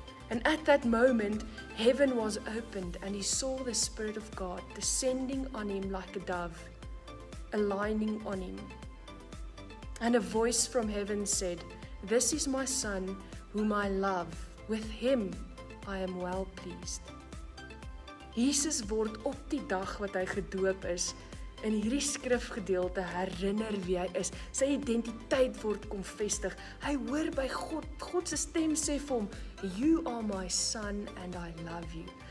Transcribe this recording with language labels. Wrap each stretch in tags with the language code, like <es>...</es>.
<en>And at that moment, heaven was opened and he saw the Spirit of God descending on him like a dove, aligning on him. And a voice from heaven said, this is my son whom I love, with him I am well pleased.</en> <af>Jesus word op die dag wat hy gedoop is, in hierdie skrifgedeelte herinner wie hy is. Sy identiteit word konfestig. Hy hoor by God. God se stem sê vir hom,</af> <en>you are my son and I love you.</en>